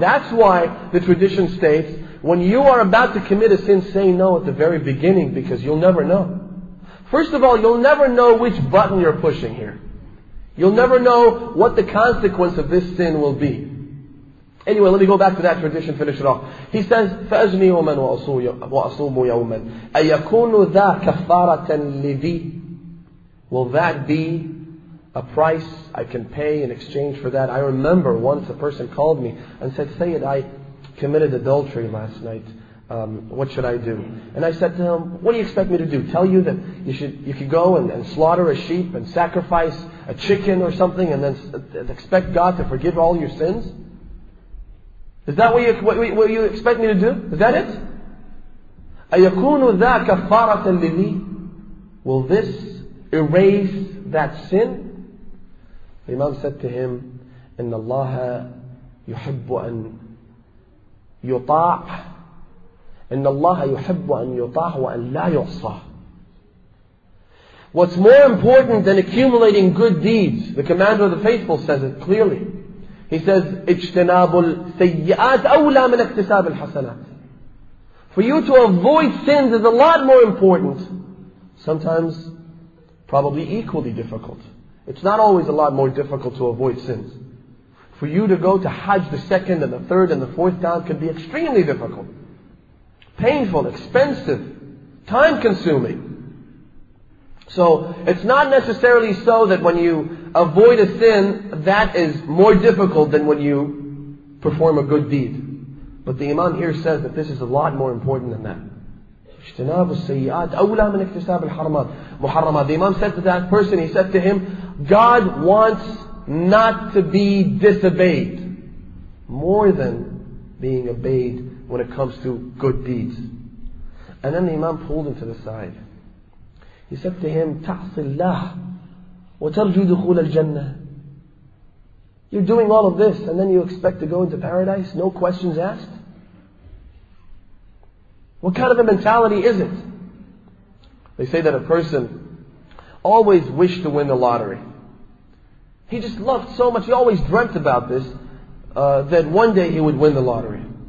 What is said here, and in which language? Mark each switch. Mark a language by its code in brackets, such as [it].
[en] That's why the tradition states, when you are about to commit a sin, say no at the very beginning, because you'll never know. First of all, you'll never know which button you're pushing here. You'll never know what the consequence of this sin will be. Anyway, let me go back to that tradition, finish it off. He says, [ar] فَأَزْنِي يَوْمًا وَأَصُومُ يَوْمًا أَيَكُونُ ذَا كَفَّارَةً لِذِي. [en] Will that be a price I can pay in exchange for that? I remember once a person called me and said, Sayyid, I committed adultery last night. What should I do? And I said to him, what do you expect me to do? Tell you that you could go and slaughter a sheep and sacrifice a chicken or something and then expect God to forgive all your sins? Is that what you expect me to do? Is that it? [ar] أَيَكُونُ ذَا كَفَّارَةً لِذِي. [en] Will this erase that sin? The Imam said to him, [ar] إِنَّ اللَّهَ يُحِبُّ أَن يُطَاعُ إِنَّ اللَّهَ يُحِبُّ أَن يُطَاعُ وَأَن لَا يُعْصَى. [en] What's more important than accumulating good deeds? The Commander of the Faithful says it clearly. He says, [ar] اجْتِنَابُ السَّيِّئَاتِ أَوْلَى مِنَ اكْتِسَابِ الْحَسَنَاتِ. [en] For you to avoid sins is a lot more important. Sometimes, probably equally difficult. It's not always a lot more difficult to avoid sins. For you to go to Hajj the second and the third and the fourth time can be extremely difficult. Painful, expensive, time-consuming. So, it's not necessarily so that when you avoid a sin, that is more difficult than when you perform a good deed. But the Imam here says that this is a lot more important than that. [ar] اجتناب السيئات أولى من اكتساب الحرمات محرمات. [en] The Imam said to that person, he said to him, God wants not to be disobeyed more than being obeyed when it comes to good deeds. And then the Imam pulled him to the side. He said to him, [ar] تَعْصِ اللَّهِ وَتَرْجُو دُخُولَ الْجَنَّةِ. [en] You're doing all of this and then you expect to go into paradise, no questions asked? What kind of a mentality is it? They say that a person always wished to win the lottery. He just loved so much. He always dreamt about this, that one day he would win the lottery.